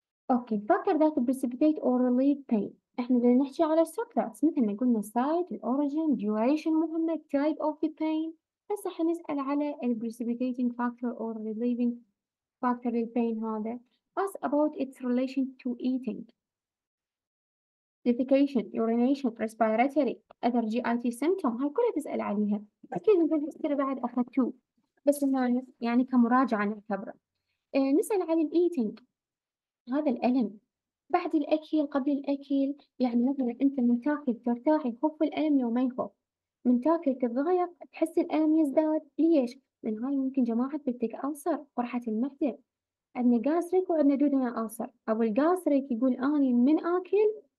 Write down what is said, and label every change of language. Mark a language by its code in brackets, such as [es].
[en] okay, فاكر ذات precipitate or relieve pain، [ar] احنا اللي نحكي على السكرات مثل ما قلنا [en] site the origin duration مهمة type of the pain، بس حنسأل على ال precipitating factor or relieving factor لل pain هذا. Ask about its relation to eating, defecation, urination, respiratory, other GIT symptom، [ar] هاي كلها تسأل عليها. أكيد نقول هسترى بعد أخذتو، بس إنه يعني كمراجعة نعتبره. نسأل عن ال eating، هذا الألم بعد الأكل قبل الأكل، يعني مثلا أنت من تاكل ترتاح يخف الألم لو ما يخف، من تاكل تتضايق تحس الألم يزداد، ليش؟ لأن هاي ممكن جماعة بدك ألسر قرحة المعدة، عندنا جاستريك وعندنا دودنا ألسر، أو الجاستريك يقول أني من آكل